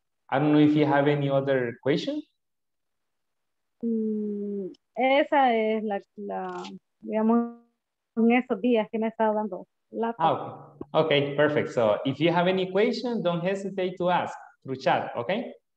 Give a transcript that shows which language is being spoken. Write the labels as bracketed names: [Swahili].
[English] I don't know if you have any other question. [Spanish] Esa es la digamos, en esos días que me he estado dando la. [English] Ah, okay. Okay, perfect. So, if you have any question, don't hesitate to ask through chat, okay?